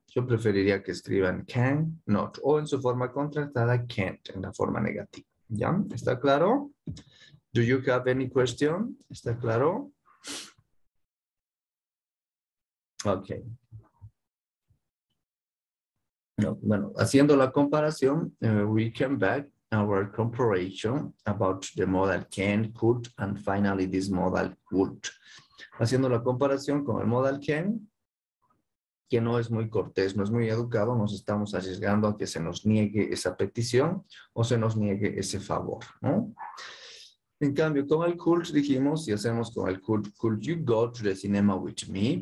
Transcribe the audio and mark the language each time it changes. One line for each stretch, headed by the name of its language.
Spanish: Yo preferiría que escriban cannot o en su forma contractada can't, en la forma negativa. ¿Ya? ¿Está claro?
English: Do you have any question?
Spanish: ¿Está claro? No, bueno, haciendo la comparación,
English: we came back. Our comparison about the modal can, could, and finally this modal would.
Spanish: Haciendo la comparación con el modal can, que no es muy cortés, no es muy educado, nos estamos arriesgando a que se nos niegue esa petición o se nos niegue ese favor, ¿no? En cambio, con el could, dijimos, si hacemos con el
English: could you go to the cinema with me?